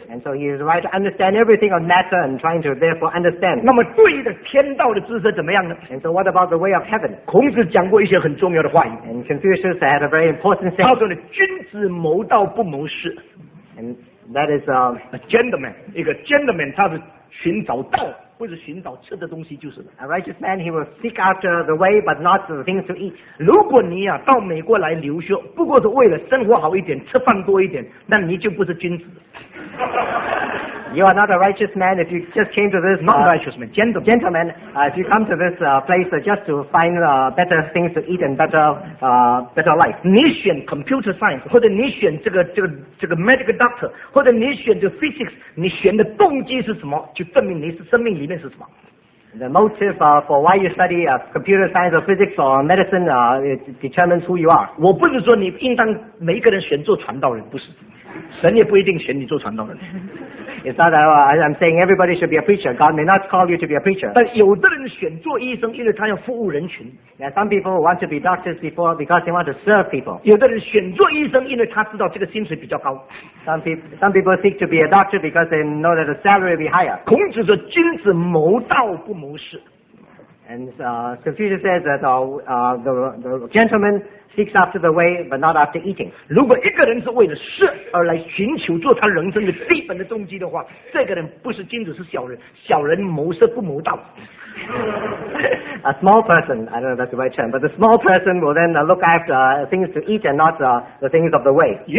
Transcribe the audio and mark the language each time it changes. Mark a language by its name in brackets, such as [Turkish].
[English] And so he is right to understand everything on matter and trying to therefore understand. [Chinese] 那么对的天道的知识怎么样呢？ [English] And so what about the way of heaven? [Chinese] 孔子讲过一些很重要的话语。 [English] And Confucius had a very important thing. [Chinese] 他说的君子谋道不谋事。 [English] And that is a gentleman. [Chinese] 一个 gentleman 他是寻找道。 [English] A righteous man, he will seek after the way, but not the things to eat. [Chinese] 如果你到美国来留学，不过是为了生活好一点，吃饭多一点，那你就不是君子。 [English] You are not a righteous man if you just came to this. Not righteous man, gentleman. Gentleman, if you come to this place just to find better things to eat and better better life. [Chinese] 你选 computer science 或者你选这个 medical doctor 或者你选这 physics， 你选的动机是什么？就证明你是生命里面是什么。 [English] The motive for why you study computer science or physics or medicine it determines who you are. [Chinese] 我不是说你应当每一个人选做传道人，不是。 [English] It's not that I'm saying everybody should be a preacher. God may not call you to be a preacher. [Chinese] But有的人选做医生，因为他要服务人群。 [English] Yeah, some people want to be doctors before because they want to serve people. [Chinese] 有的人选做医生，因为他知道这个薪水比较高。 [English] Some people seek to be a doctor because they know that the salary will be higher. [Chinese] 孔子说君子谋道不谋事。 [English] And Confucius says that the gentleman seeks after the way, but not after eating. [Chinese] 如果一个人是为了事而来寻求做他人生的基本的动机的话，这个人不是君子，是小人。小人谋事不谋道。 [English] A small person, I don't know if that's the right term, but a small person will then look after things to eat and not the things of the way.